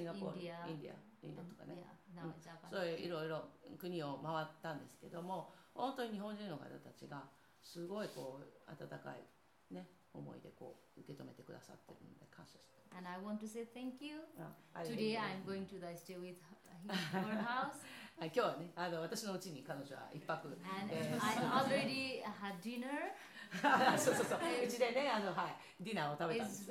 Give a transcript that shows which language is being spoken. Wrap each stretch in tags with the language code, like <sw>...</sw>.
<ja>インディア、インディア、インディアとかね。</ja> <en>Yeah, now Japan.</en> <ja>そういういろいろ国を回ったんですけども、本当に日本人の方たちがすごいこう温かいね。思いでこう受け止めてくださってるので感謝してます。</ja> <en>And I want to say thank you. Today I'm going to the stay with her house.</en> <ja>今日はね、あの私の家に彼女は一泊。</ja> <en>And I already had dinner.</en> <ja>そうそうそう。うちでね、あの、はい、ディナーを食べたんです。</ja>